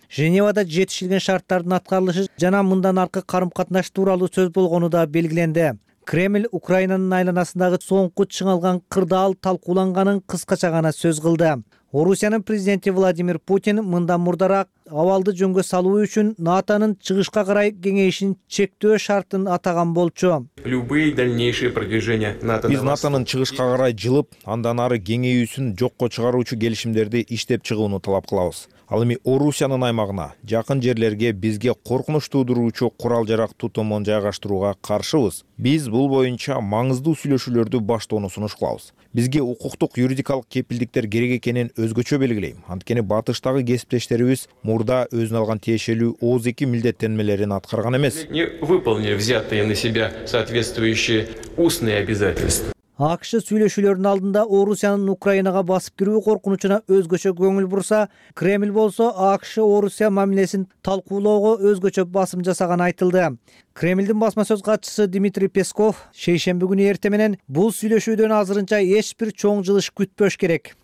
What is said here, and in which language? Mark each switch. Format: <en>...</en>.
<ky>Женевада жетишилген шарттардын аткарылышы жана мындан аркы карым катнаш тууралуу сөз болгону да белгиленди. Кремль Украинанын айланасындагы соңку чыңалган кырдаал талкууланганын кыскача гана сөз кылды. Орусиянын президенти Владимир Путин мындан мурдараак абалды жөнгө салуу үчүн НАТОнун чыгышка карай кеңейишин чектөө шартын атаган болчу.</ky> <ru>Любые дальнейшие продвижения НАТО.</ru> <ky>Биз НАТОнун чыгышка карай жылып, андан ары кеңейүүсүн жокко чыгаруучу келишимдерди иштеп чыгууну талап кылабыз. Ал эми Орусиянын аймагына, жакын жерлерге бизге коркунуч туудуруучу курал-жарак тутумун жайгаштырууга каршыбыз. Биз бул боюнча маңыздуу сүйлөшүүлөрдү баштоону сунуш кылабыз. Бизге укуктук юридикалык кепилдиктер керек экенин өзгөчө белгилейм. Анткени батыштагы кесиптештерибиз мурда өзүнө алган тиешелүү 32 милдеттенмелерин аткарган эмес.</ky> <ru>Не выполнили взятые на себя соответствующие устные обязательства.</ru> <ky>АКШ сүйлөшүүлөрүнүн алдында Орусиянын Украинага басып кирүү коркунучуна өзгөчө көңүл бурса, Кремль болсо АКШ Орусия мамилесин талкуулоого өзгөчө басым жасаганы айтылды. Кремлдин басма сөз катчысы Дмитрий Песков шейшембе күнү эрте менен бул сүйлөшүүдөн азырынча эч бир чоң жылыш күтпөш керек.</ky>